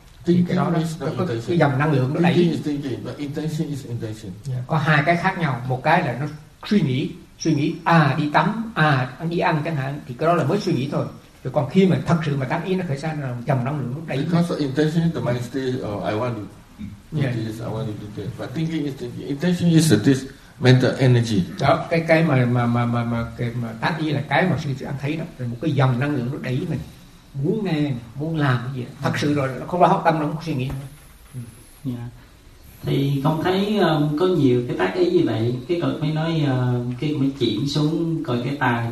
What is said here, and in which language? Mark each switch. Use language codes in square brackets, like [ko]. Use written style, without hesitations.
[en] Thinking [vi] thì cái đó nó có cái dòng năng lượng nó đẩy. [en] Intention is intention. [vi] Có hai cái khác nhau, một cái là nó suy nghĩ à đi tắm, à anh đi ăn chẳng hạn, thì cái đó là mới suy nghĩ thôi. Rồi còn khi mà thật sự mà tác ý nó khởi ra là dòng năng lượng lúc đấy. [en] Because of intention, the mind stay, I want to do this. But thinking is thinking. Intention is this mental energy. [vi] Đó, cái mà tác ý là cái mà sự anh thấy đó, là một cái dòng năng lượng lúc đấy mình muốn nghe, muốn làm cái gì đó. Thật sự rồi, nó không có học tâm, nó không có suy nghĩ. Thì con thấy có nhiều cái tác ý như vậy, cái cậu mới nói, cái cậu mới chuyển xuống coi cái tai.